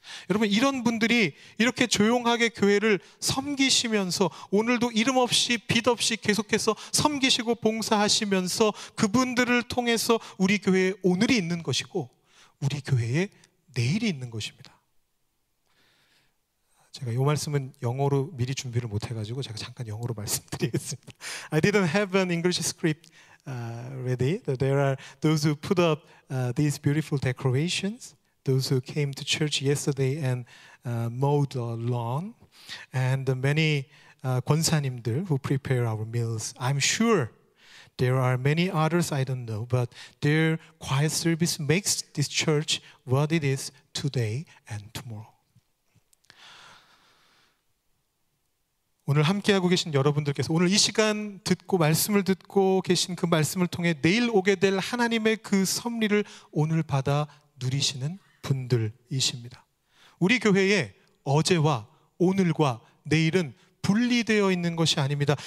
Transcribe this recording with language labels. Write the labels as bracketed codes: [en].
[ko] 여러분 이런 분들이 이렇게 조용하게 교회를 섬기시면서 오늘도 이름 없이 빚 없이 계속해서 섬기시고 봉사하시면서 그분들을 통해서 우리 교회에 오늘이 있는 것이고 우리 교회에 내일이 있는 것입니다. 제가 이 말씀은 영어로 미리 준비를 못해가지고 제가 잠깐 영어로 말씀드리겠습니다. [en] I didn't have an English script ready. There are those who put up these beautiful decorations, those who came to church yesterday and mowed the lawn, and the many 권사님들 who prepare our meals. I'm sure there are many others I don't know, but their quiet service makes this church what it is today and tomorrow. [ko] 오늘 함께하고 계신 여러분들께서 오늘 이 시간 듣고 말씀을 듣고 계신 그 말씀을 통해 내일 오게 될 하나님의 그 섭리를 오늘 받아 누리시는 분들이십니다. 우리 교회의 어제와 오늘과 내일은 분리되어 있는 것이 아닙니다.